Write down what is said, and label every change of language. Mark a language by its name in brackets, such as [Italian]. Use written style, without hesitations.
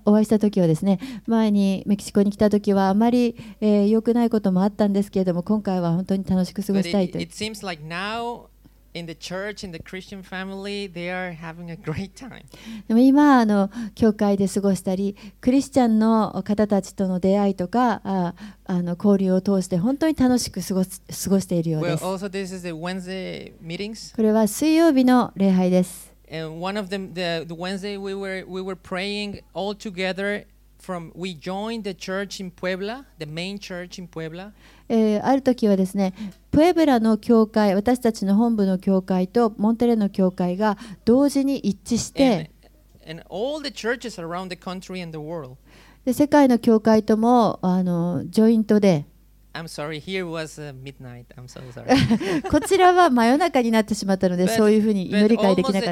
[Japanese] お会いした時はですね、前にメキシコに来た時はあまり良くないこともあったんですけれども、今回は本当に楽しく過ごしたいと。 [English] It seems like now in the church, in the Christian family, they are having a great time. [Japanese] でも今教会で過ごしたり、クリスチャンの方たちとの出会いとか交流を通して本当に楽しく過ごしているようです。 [English] Well, also this is the Wednesday meetings. [Japanese] これは水曜日の礼拝です。 [English] And one of the Wednesday we were praying all together. We joined the church in Puebla, the main church in Puebla. [Japanese] ある時はですね、プエブラの教会、私たちの本部の教会とモンテレの教会が同時に一致して、 [English] and all the churches around the country and the world. [Japanese] で、世界の教会ともジョイントで、 [English] I'm sorry, here was midnight. I'm so sorry. [Japanese] こちらは真夜中になってしまったので、そういうふうに祈り会できなかった。